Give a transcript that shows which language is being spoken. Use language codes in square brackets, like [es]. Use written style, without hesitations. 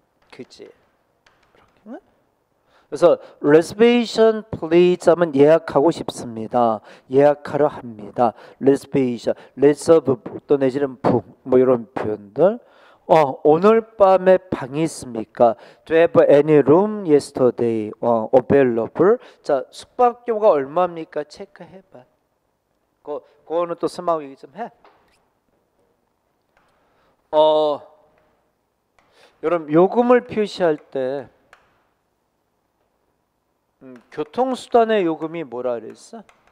[ko] 그지? 그래서 [en] reservation please [ko] 하면 예약하고 싶습니다. 예약하려 합니다. reservation, reserve 또 내지는 book 뭐 이런 표현들. 오늘 밤에 방이 있습니까? [en] Do you have any room yesterday? Available. [ko] 자, 숙박료가 얼마입니까? 체크해봐. 그거는 또 스마트 얘기 좀 해. 여러분 요금을 표시할 때 교통수단의 요금이 뭐라 그랬어?